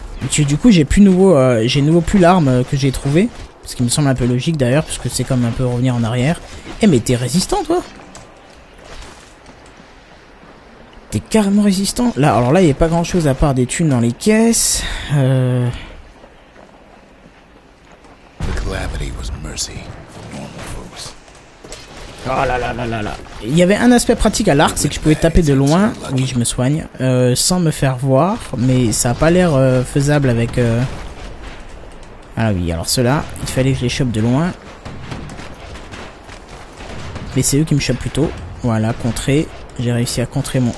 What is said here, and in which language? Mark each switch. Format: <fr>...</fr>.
<fr>Du coup j'ai plus nouveau plus l'arme que j'ai trouvé. Ce qui me semble un peu logique d'ailleurs, puisque c'est comme un peu revenir en arrière. Eh mais t'es résistant toi. T'es carrément résistant. Là, alors là il n'y a pas grand chose à part des thunes dans les caisses.</fr> <en>The calamity was mercy for normal folks.</en> <fr>Oh là là là là là. Il y avait un aspect pratique à l'arc, c'est que je pouvais taper de loin, oui je me soigne, sans me faire voir, mais ça a pas l'air faisable avec... Ah oui, alors ceux-là, il fallait que je les chope de loin. Mais c'est eux qui me chopent plutôt. Voilà, contrer. J'ai réussi à contrer mon...</fr>